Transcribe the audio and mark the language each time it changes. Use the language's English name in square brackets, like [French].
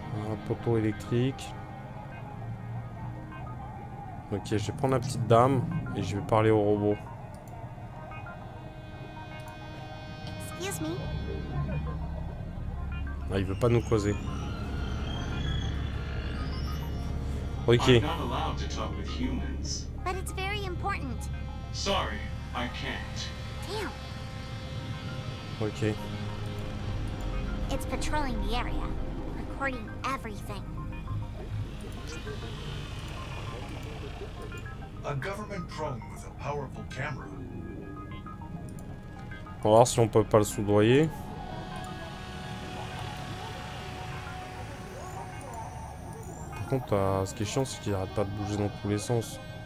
[French] Un poteau électrique. Ok, je vais prendre la petite dame et je vais parler au robot. Ah, il veut pas nous causer. Ok. [English] I'm not allowed to talk with humans. But it's very important. Sorry, I can't. Damn, Ok. It's patrolling the area, recording everything. A government drone with a powerful camera. [French] On va voir si on peut pas le soudoyer. Par contre, ce qui est chiant, c'est qu'il arrête pas de bouger dans tous les sens.